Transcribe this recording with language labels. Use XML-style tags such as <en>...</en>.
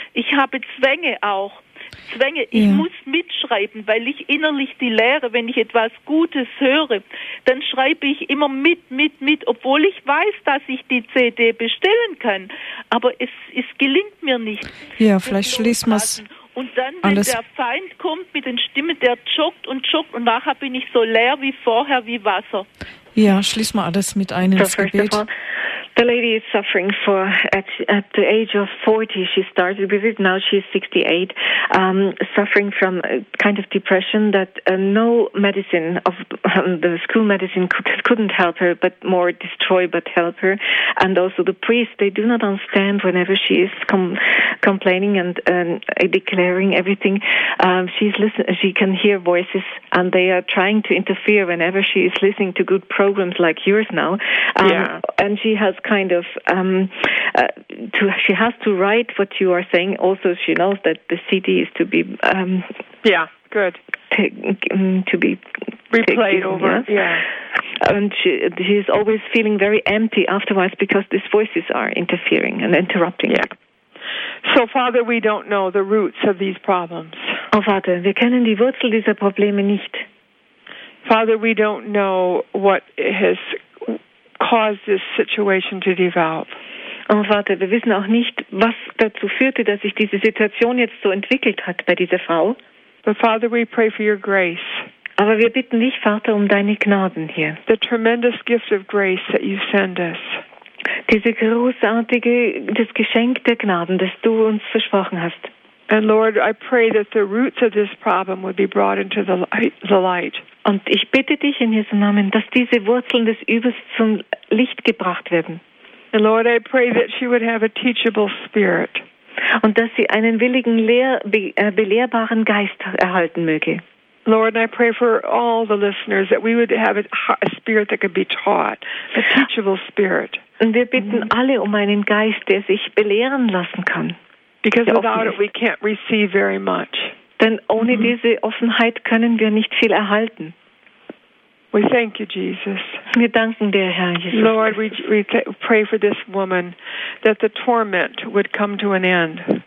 <de>Ich habe Zwänge auch. Zwänge, ich muss mitschreiben, weil ich innerlich die Lehre, wenn ich etwas Gutes höre, dann schreibe ich immer mit, obwohl ich weiß, dass ich die CD bestellen kann. Aber es gelingt mir nicht. Ja, vielleicht schließen wir es. Und dann, wenn der Feind kommt mit den Stimmen, der joggt und nachher bin ich so leer wie vorher, wie Wasser. Ja, schließen wir alles mit ein ins Gebet.</de> <en>The lady is suffering for at the age of 40. She started with it. Now she's 68, suffering from a kind of depression that no medicine of the school medicine couldn't help her, but more destroy but help her. And also the priests, they do not understand whenever she is complaining and declaring everything. She can hear voices, and they are trying to interfere whenever she is listening to good programs like yours now. And she has she has to write what you are saying. Also, she knows that the CD is to be replayed over. And she is always feeling very empty afterwards because these voices are interfering and interrupting. Yeah. So, Father, we don't know the roots of these problems.</en> <de>Oh, Vater, wir kennen die Wurzel dieser Probleme nicht.</de> <en>Father, we don't know what has caused this situation to develop.</en> <de>Oh, Vater, wir wissen auch nicht, was dazu führte, dass sich diese Situation jetzt so entwickelt hat bei dieser Frau.</de> <en>But Father, we pray for your grace.</en> <de>Aber wir bitten dich, Vater, deine Gnaden hier.</de> <en>The tremendous gift of grace that you send us.</en> <de>diese großartige, das Geschenk der Gnaden, das du uns versprochen hast.</de> <en>And Lord, I pray that the roots of this problem would be brought into the light.</en> <de>Und ich bitte dich in Jesu Namen, dass diese Wurzeln des Übels zum Licht gebracht werden.</de> <en>And Lord, I pray that she would have a teachable spirit.</en> <de>Und dass sie einen willigen belehrbaren Geist erhalten möge.</de> <en>Lord, I pray for all the listeners that we would have a spirit that could be taught, a teachable spirit.</en> <de>Und wir bitten alle um einen Geist, der sich belehren lassen kann.</de> <en>Because without it, we can't receive very much.</en> <de>Denn ohne diese Offenheit können wir nicht viel erhalten.</de> <en>We thank you, Jesus.</en> <de>Wir danken dir, Herr Jesus.</de> <en>Lord, we pray for this woman that the torment would come to an end.</en>